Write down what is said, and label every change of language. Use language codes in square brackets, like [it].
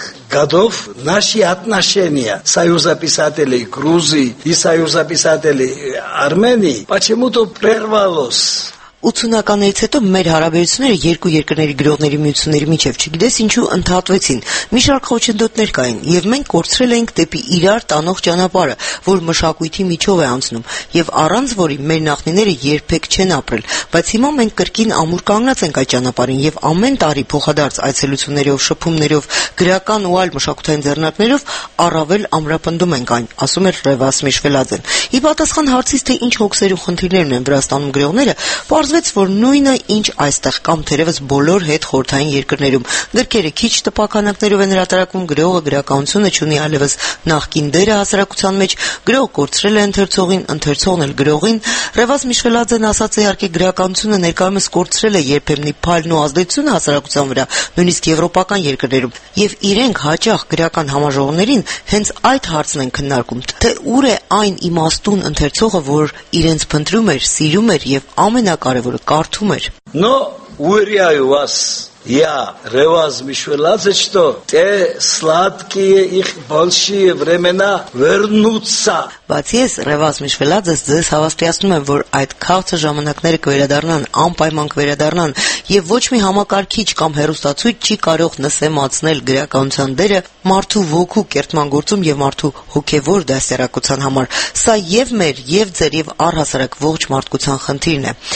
[ru] Годов наши отношения союза писателей Грузии и союза писателей Армении почему-то прервалось. [hy] 80-ականներից հետո մեր հարաբերությունները երկու երկրների գրողների միությունների միջև, չգիտես ինչու, ընդհատվեցին։ Մի շարք խոչընդոտներ կային, և մենք կորցրել էինք դեպի իրար տանող ճանապարհը, որ մշակույթի միջով է անցնում, և առանց որի մեր նախնիները երբեք չեն ապրել, բայց հիմա մենք կրկին ամուր կանգնած ենք այդ ճանապարհին, և ամեն տարի փոխադարձ այցելություններով, շփումներով, գրական ու այլ մշակութային ձեռնարկներով առավել ամրապնդում ենք այն, ասում էր Ռևաս Միշվելաձեն։ Ի պատասխան հարցից, թե ինչ հոգսեր ու խնդիրներ ունեն Վրաստանում գրողները, պարզվեց, որ նույնը ինչ այստեղ կամ թերևս բոլոր հետ խորթային երկրներում, գրքերը քիչ տպականակներով են հրատարակվում, գրողը գրականությունը չունի այլևս նախկին դերը հասարակության մեջ, գրող կորցրել է ընթերցողին, ընթերցողն էլ գրողին, Ռևաս Միշվելաձեն ասաց, իհարկե գրականությունը ներկայումս կորցրել է երբեմնի փայլն ու ազդեցությունը հասարակության վրա, նույնիսկ եվրոպական երկրներում, և իրենք հաճախ գրական համաժողովներին հենց այդ հարցն են քննարկում, թե ուր է այն իմաստուն ընթերցողը, որ իրենց փնտրում էր, սիրում էր և ամենակարևորը կարդում էր։ [ru] Но уверяю вас, я реваз мишвелазе, что те сладкие их большие времена вернутся. [hy] Բացես ռեվազ Միշվելաձես ձեզ հավաստիացնում եմ, որ այդ քաղցը ժամանակները կվերադառնան, անպայման կվերադառնան, եւ ոչ մի համակարգիչ կամ հերոստացույց չի կարող նսեմացնել գրականության դերը մարդու ոգու կերտման գործում եւ մարդու հոգեվոր դասերակության համար։ Սա եւ մեր, եւ ձեր, եւ առհասարակ ողջ մարդկության խնդիրն է։